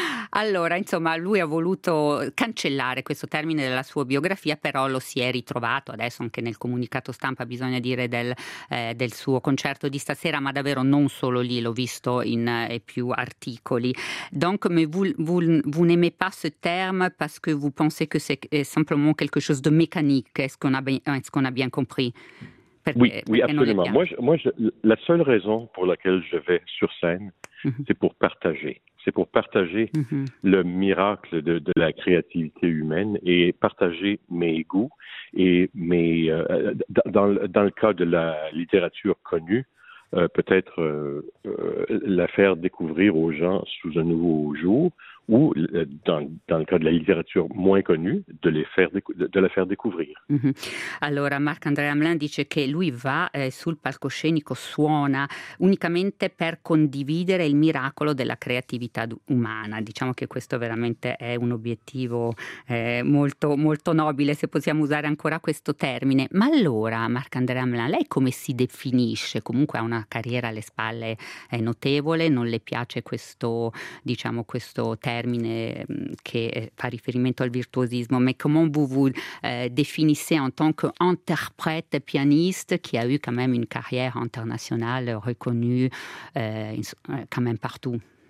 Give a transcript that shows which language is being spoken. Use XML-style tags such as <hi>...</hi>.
<it>Allora, insomma, lui ha voluto cancellare questo termine dalla sua biografia, però lo si è ritrovato adesso anche nel comunicato stampa, bisogna dire, del suo concerto di stasera, ma davvero non solo lì, l'ho visto in più articoli.</it> <fr>Donc, mais vous n'aimez pas ce terme parce que vous pensez que c'est simplement quelque chose de mécanique, est-ce qu'on a bien compris? Oui, absolument. Moi, la seule raison pour laquelle je vais sur scène, c'est pour partager. C'est pour partager le miracle de la créativité humaine et partager mes goûts et mes dans le cas de la littérature connue, la faire découvrir aux gens sous un nouveau jour, ou dans le cas de la littérature moins connue, de la faire découvrir.</fr> <it>Allora, Marc-Andrea Hamelin dice che lui va sul palcoscenico, suona unicamente per condividere il miracolo della creatività umana. Diciamo che questo veramente è un obiettivo molto, molto nobile, se possiamo usare ancora questo termine. Ma allora, Marc-Andrea Hamelin, lei come si definisce? Comunque ha una carriera alle spalle notevole, non le piace questo, diciamo, questo termine che fa riferimento al virtuosismo, ma come</it> <fr>vous définissez en tant qu'interprète pianiste qui a eu quand même une carrière internationale reconnue quand même partout?</fr>